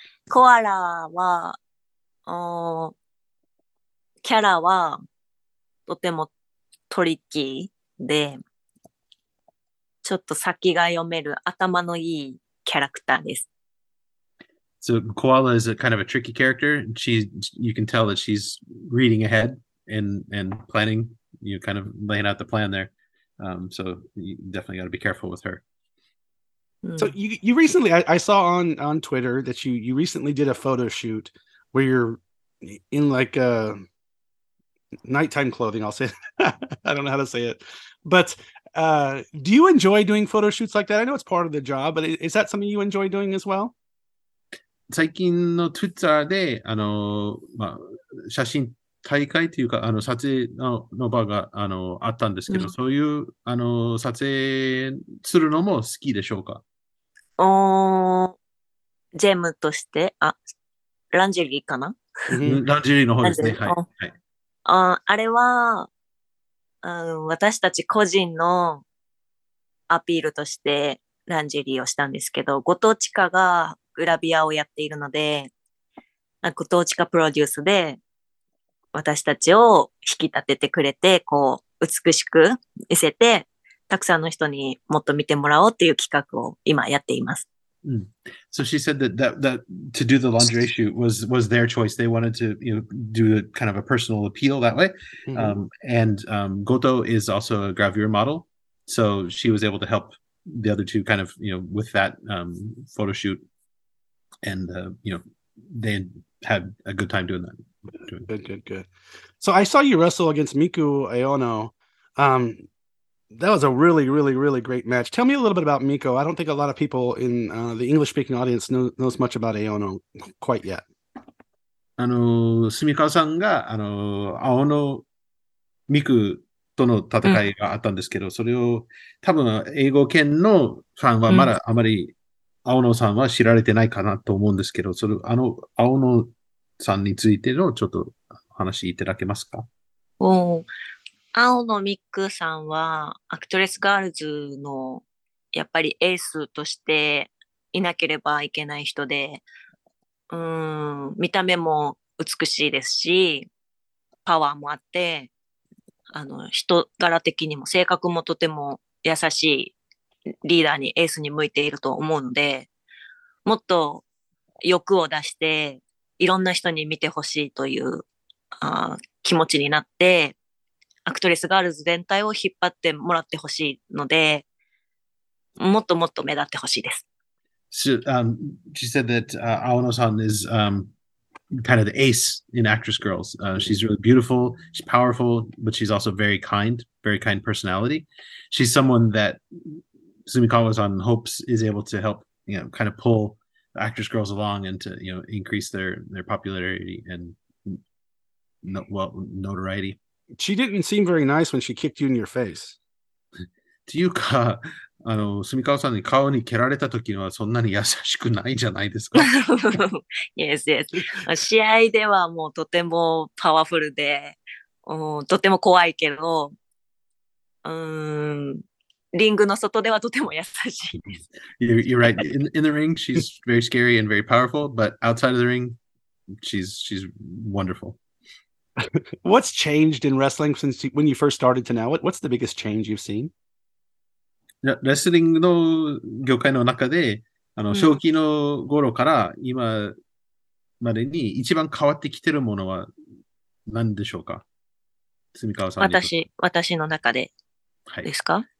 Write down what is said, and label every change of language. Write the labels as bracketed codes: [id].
[ja] コアラは、キャラはとてもトリッキーで、ちょっと先が読める頭のいいキャラクターです。 [en] So Koala is a kind of a tricky character. You can tell that she's reading ahead and planning, you know, kind of laying out the plan there. So you definitely got to be careful with her. So you recently, I saw on Twitter that you recently did a photo shoot where you're in like a nighttime clothing, I'll say. I don't know how to say it, but... do you enjoy doing photo shoots like that? I know it's part of the job, but is that something you enjoy doing as well? [ja] 最近の Twitter で、あの、まあ、写真大会というか、あの、撮影の場が、あの、あったんですけど、そういう、あの、撮影するのも好きでしょうか？おー、ジェムとして、あ、ランジェリーかな？ランジェリーの方ですね、はい。あれは、私たち個人のアピールとしてランジェリーをしたんですけど、後藤ちかがグラビアをやっているので、後藤ちかプロデュースで私たちを引き立ててくれて、こう美しく見せて、たくさんの人にもっと見てもらおうっていう企画を今やっています。 Mm. [en] So she said that to do the lingerie shoot was their choice. They wanted to, you know, do a kind of a personal appeal that way. Mm-hmm. And Goto is also a gravure model. So she was able to help the other two kind of, you know, with that photo shoot. And, you know, they had a good time doing that. Good. So I saw you wrestle against Miku Aono. That was a really, really, really great match. Tell me a little bit about Miko. I don't think a lot of people in the English-speaking audience knows much about Aono quite yet. [ja] あの、スミカワさんが、あの、アオノ、ミクとの戦いがあったんですけど、それを多分英語圏のファンはまだあまりアオノさんは知られてないかなと思うんですけど、それ、あの、アオノさんについてのちょっと話いただけますか？おお。青野ミックさんは、アクトレスガールズの、やっぱりエースとしていなければいけない人で、見た目も美しいですし、パワーもあって、あの、人柄的にも性格もとても優しいリーダーに、エースに向いていると思うので、もっと欲を出して、いろんな人に見てほしいという、気持ちになって、アクトレスガールズ全体を引っ張ってもらってほしいので、もっともっと目立ってほしいです。 [en] So, she said that Aono-san is kind of the ace in Actress Girls. She's really beautiful, she's powerful, but she's also very kind personality. She's someone that Sumikawa-san hopes is able to help, you know, kind of pull Actress Girls along and to, you know, increase their popularity and notoriety. She didn't seem very nice when she kicked you in your face. [ja] というか、あの、スミカワさんに顔に蹴られた時はそんなに優しくないじゃないですか。 [en] Yes, yes. [ja] 試合ではもうとてもパワフルで、とても怖いけど、リングの外ではとても優しい。 [en] You're right. In the ring, she's very scary and very powerful, but outside of the ring, she's wonderful. What's changed in wrestling since when you first started to now? What's the biggest change you've seen? [ja] レスリングの業界の中で、あの、初期の頃から今までに一番変わってきてるものは何でしょうか？住川さん。私の中で。はい、ですか？